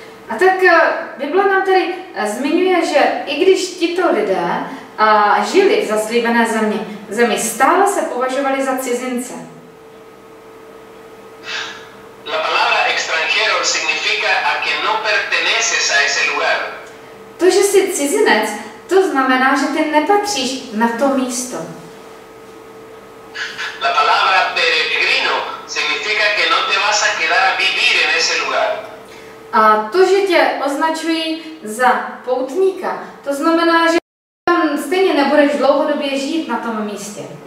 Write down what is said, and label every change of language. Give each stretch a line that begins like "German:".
Czech: A tak Bible nám tady zmiňuje, že i když tito lidé a žili v zaslíbené zemi stále se považovali za cizince.
Spanish: La palabra extranjero significa a que no perteneces a ese lugar.
Czech: To, že jsi cizinec, to znamená, že ty nepatříš na to místo.
Spanish: La palabra peregrino significa que no te vas a quedar a vivir en ese lugar.
Czech: A to, že tě označují za poutníka, to znamená, že stejně nebudeš dlouhodobě žít na tom místě.